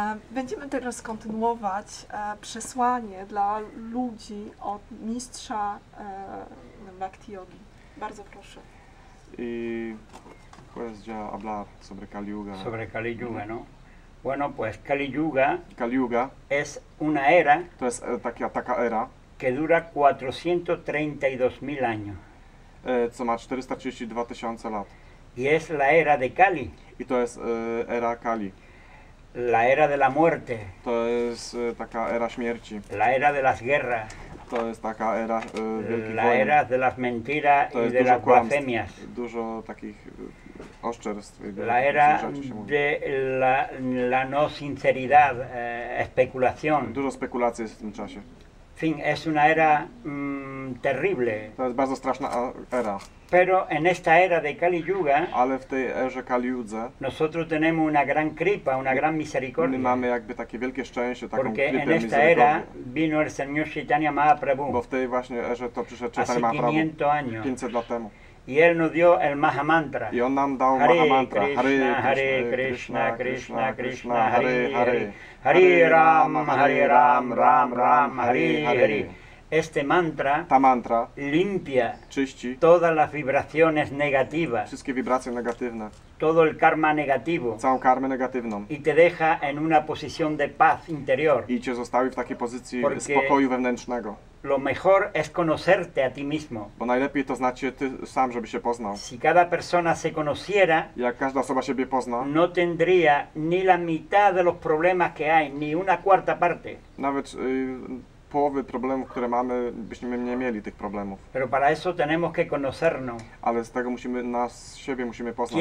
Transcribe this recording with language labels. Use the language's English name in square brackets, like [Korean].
[Polish] Będziemy teraz kontynuować przesłanie dla ludzi od mistrza Bhakti Yogi. Bardzo proszę. [Spanish] I puedes ya hablar sobre Kali Yuga. Sobre Kali Yuga, no? Bueno, pues Kali Yuga, Kali Yuga es una era, [Polish] to jest taka era [Spanish] que dura 432.000 años. [Polish] Co ma 432 tysiące lat. [Spanish] Y es la era de Kali. [Polish] I to jest era Kali. [Spanish] La era de la muerte. [Polish] To jest taka era śmierci. [Spanish] La era de las guerras. [Polish] To jest taka era wielkich [Spanish] la [Polish] wojen. [Spanish] Era de las mentiras to y de las blasfemias. [Polish] Dużo takich oszczerstw. [Spanish] La era de la no sinceridad, especulación. [Polish] Dużo spekulacji jest w tym czasie. [Spanish] Fin, es una era terrible. [Polish] To jest bardzo straszna era. [Spanish] Pero en esta era de Kali Yuga, [Polish] ale w tej erze Kali Yudze, [Spanish] nosotros tenemos una gran kripa, una gran misericordia. [Polish] My mamy jakby takie wielkie szczęście, taką [Spanish] porque [Polish] kripę [Spanish] en esta era vino el señor Chaitanya Mahaprabhu. [Polish] Bo w tej właśnie erze to przyszedł Chaitanya Mahaprabhu. 500 lat temu. [Spanish] Y él nos dio el Mahamantra. [Polish] I on nam dał Hare Mahamantra. [Sanskrit] Krishna, Hare Krishna, Hare Krishna, Krishna Krishna, Krishna, Krishna, Krishna, Hare Hare. Hare, Hare, Hare Ram, Ram, Hare Ram, Ram Ram, Hare Hare. [Spanish] Este mantra, [Polish] ta mantra [Spanish] limpia [Polish] czyści [Spanish] todas las vibraciones negativas, [Polish] wszystkie wibracje negatywne, [Spanish] todo el karma negativo, [Polish] całą karmę negatywną, [Spanish] y te deja en una posición de paz interior, [Polish] i cię zostawi w takiej pozycji spokoju wewnętrznego. [Spanish] Lo mejor es conocerte a ti mismo. [Polish] Bo najlepiej to znać się ty sam, żeby się poznał. [Spanish] Si cada persona se conociera, [Polish] jak każda osoba siebie pozna, [Spanish] no tendría ni la mitad de los problemas que hay, ni una cuarta parte. [Polish] Nawet połowy problemów, które mamy, byśmy nie mieli tych problemów. [Spanish] Pero para eso tenemos que conocernos. [Polish] Ale z tego musimy nas siebie musimy poznać.